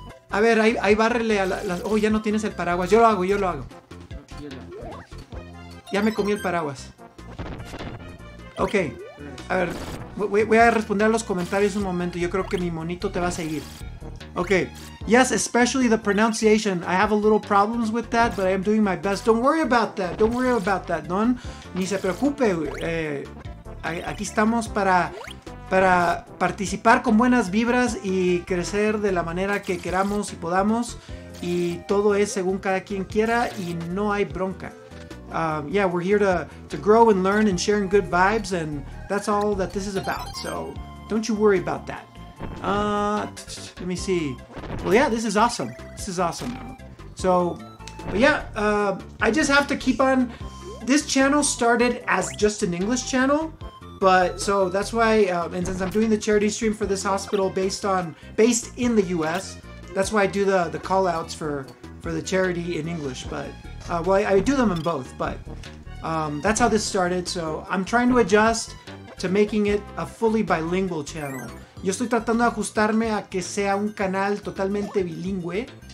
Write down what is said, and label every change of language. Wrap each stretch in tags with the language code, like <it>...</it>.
<es>A ver, ahí bárrele a las... Oh, ya no tienes el paraguas. Yo lo hago. Ya me comí el paraguas. Ok, a ver, voy a responder a los comentarios un momento. Yo creo que mi monito te va a seguir.</es> <en>Okay, yes, especially the pronunciation. I have a little problems with that, but I am doing my best. Don't worry about that, Don. Ni se preocupe.</en> <es>Aquí estamos para participar con buenas vibras y crecer de la manera que queramos y podamos. Y todo es según cada quien quiera y no hay bronca.</es> <en>Yeah, we're here to grow and learn and share in good vibes, and that's all that this is about. So don't you worry about that. Let me see. Well, yeah, this is awesome. This is awesome. So, but yeah, I just have to keep on. This channel started as just an English channel, but so that's why, and since I'm doing the charity stream for this hospital based in the U.S., that's why I do the call outs for the charity in English. But I do them in both, but that's how this started. So I'm trying to adjust to making it a fully bilingual channel.</en> <es>Yo estoy tratando de ajustarme a que sea un canal totalmente bilingüe.</es>